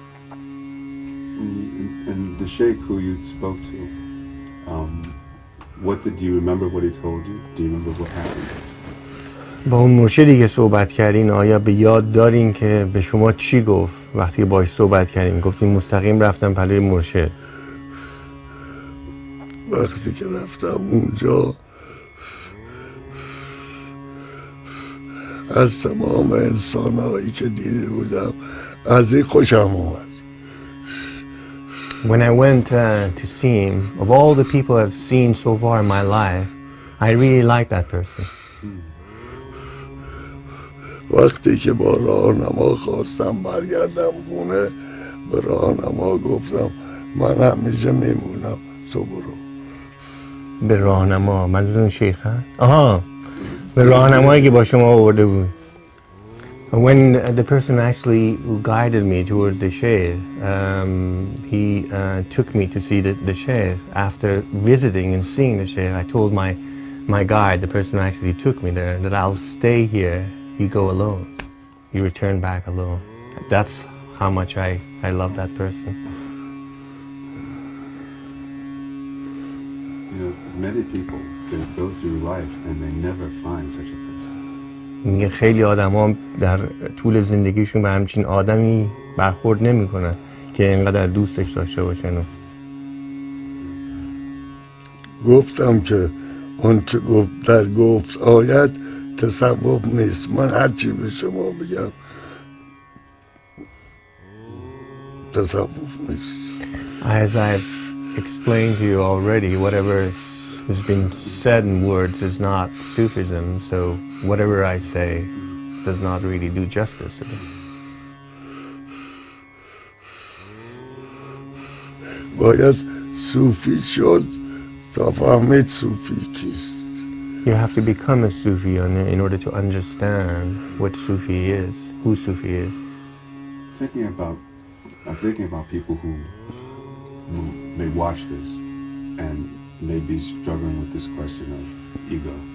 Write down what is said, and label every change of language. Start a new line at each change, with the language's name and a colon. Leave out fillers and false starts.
English: And the sheikh who you spoke to, do you remember what he told you? Do you remember what happened?
Persian: با اون مرشدی که صحبت کردین آیا به یاد دارین که به شما چی گفت وقتی باهاش صحبت کردین؟ گفتین مستقیم رفتم پلوی مرشد. وقتی که رفتم اونجا از تمام انسانهایی که دیده بودم از این خوشم اومد.
English: When I went to see him, of all the people I've seen so far in my life, I really liked that person.
Persian: وقتی که با راهنما خواستم برگردم خونه، به راهنما گفتم من همیشه میمونم، تو برو. به راهنما، منظورم شیخ هست؟ آها، به راهنمایی که با شما آورده بود.
English: When the person actually who guided me towards the sheikh, he took me to see the sheikh. After visiting and seeing the sheikh, I told my guide, the person who actually took me there, that I'll stay here. You go alone. You return back alone. That's how much I love that person. You know, many people they go through life and they never find such a person.
Persian: میگه خیلی آدم ها در طول زندگیشون به همچین آدمی برخورد نمی کنن که اینقدر دوستش داشته باشن. گفتم که آنچه گفت در گفت آید تصوف نیست. من هرچی به شما بگم تصوف نیست.
English: As I've explained to you already, whatever has been said in words is not Sufism, so whatever I say does not really do justice to them.
Persian: باید صوفی شد تا فهمید صوفی کیست.
English: You have to become a Sufi in order to understand what Sufi is, who Sufi is. I'm thinking about people who may watch this and may be struggling with this question of ego.